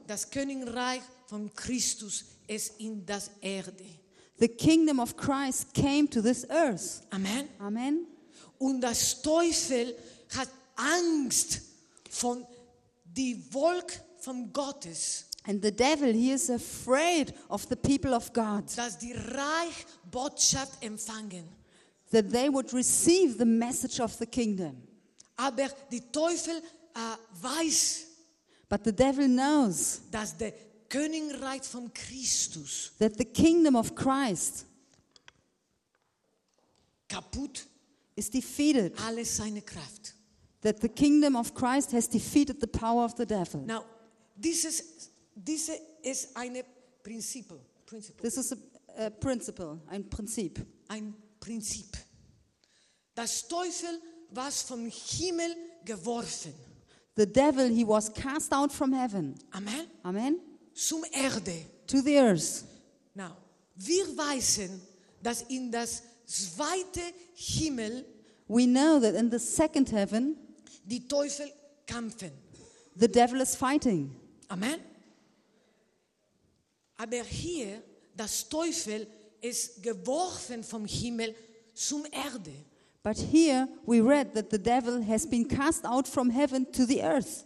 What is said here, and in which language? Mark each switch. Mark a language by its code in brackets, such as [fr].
[de] Das Königreich von Christus ist in das Erde. [en] The kingdom of Christ came to this earth. Amen. [de] Amen. Und das Teufel hat Angst von die Volk von Gottes. [en] And the devil, he is afraid of the people of God. [de] Dass die Reich Botschaft empfangen. [en] That they would receive the message of the kingdom. [de] Aber die Teufel weiß. [en] But the devil knows. [de] Dass der Königreich von Christus. [en] That the kingdom of Christ. [de] Kaputt. [en] Is defeated. [de] Alle seine Kraft. [en] That the kingdom of Christ has defeated the power of the devil. Now, this is eine principle. This is a principle, ein Prinzip. [de] Ein Prinzip. Das Teufel was vom Himmel geworfen. [en] The devil, he was cast out from heaven. Amen. [de] Amen. Zum Erde. [en] To the earth. [de] Now, wir wissen, dass in das zweite Himmel, [en] we know that in the second heaven, [de] die Teufel kämpfen. [en] The devil is fighting. Amen. [de] Aber hier, das Teufel ist geworfen vom Himmel zum Erde. [en] But here we read that the devil has been cast out from heaven to the earth.